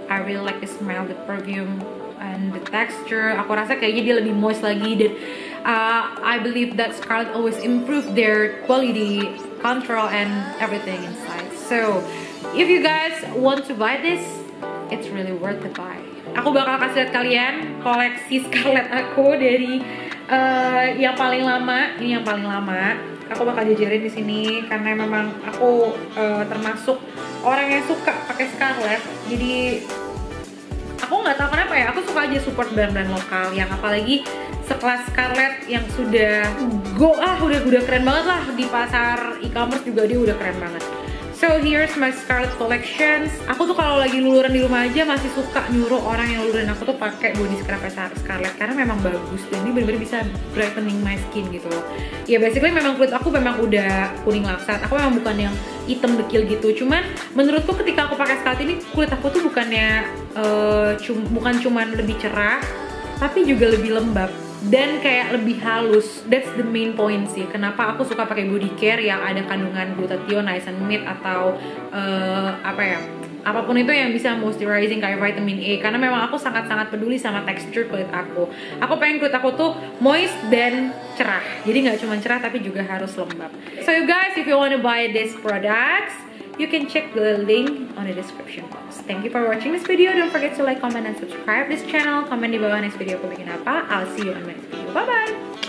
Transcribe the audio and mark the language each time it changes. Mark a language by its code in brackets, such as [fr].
[en] I really like the smell, the perfume, and the texture. [id] Aku rasa kayaknya dia lebih moist lagi, dan [en] I believe that Scarlett always improve their quality control and everything inside. So if you guys want to buy this, it's really worth to buy. [id] Aku bakal kasih liat kalian koleksi Scarlett aku dari yang paling lama. Ini yang paling lama. Aku bakal jajarin di sini karena memang aku termasuk orang yang suka pakai Scarlett. Jadi aku nggak tahu kenapa ya. Aku suka aja support brand-brand lokal yang apalagi sekelas Scarlett yang sudah go ah udah keren banget lah di pasar e-commerce juga dia udah keren banget. [en] So here's my Scarlett collections. [id] Aku tuh kalau lagi luluran di rumah aja masih suka nyuruh orang yang luluran aku tuh pakai body scrubnya Scarlett, karena memang bagus dan ini benar-benar bisa [en] brightening my skin [id] gitu loh. Ya basically memang kulit aku memang udah kuning laksat. Aku memang bukan yang hitam dekil gitu. Cuman menurutku ketika aku pakai Scarlett ini kulit aku tuh bukannya bukan cuman lebih cerah, tapi juga lebih lembab dan kayak lebih halus. [en] That's the main point [id] sih. Kenapa aku suka pakai body care yang ada kandungan glutathione, niacinamide atau apa ya? Apapun itu yang bisa moisturizing kayak vitamin E, karena memang aku sangat-sangat peduli sama tekstur kulit aku. Aku pengen kulit aku tuh moist dan cerah. Jadi enggak cuma cerah tapi juga harus lembab. [en] So you guys, if you want to buy this products, you can check the link on the description box. Thank you for watching this video. Don't forget to like, comment, and subscribe this channel. [id] Comment di bawah next video aku bikin apa. [en] I'll see you on my next video. Bye-bye!